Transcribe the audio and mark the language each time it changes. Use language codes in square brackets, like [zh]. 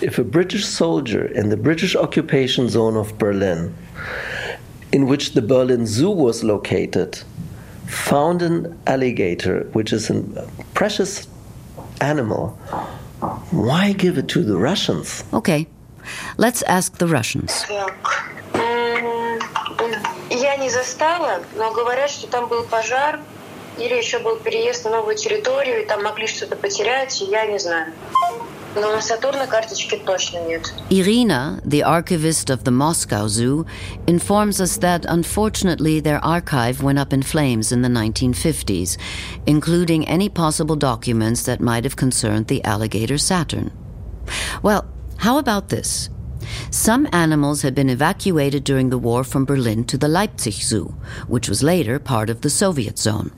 [en] If a British soldier in the British occupation zone of Berlin, in which the Berlin Zoo was located, found an alligator, which is a precious animal, why give it to the Russians? Okay. Let's ask the Russians. [ru] Я не застала, но говорят, что там был пожар или еще был переезд на новую территорию, и там могли что-то потерять, я не знаю. Но на Сатурна карточки точно нет. [en] Ирина, the archivist of the Moscow Zoo, informs us that unfortunately their archive went up in flames in the 1950s, including any possible documents that might have concerned the alligator Saturn. Well, how about this? Some animals had been evacuated during the war from Berlin to the Leipzig Zoo, which was later part of the Soviet zone.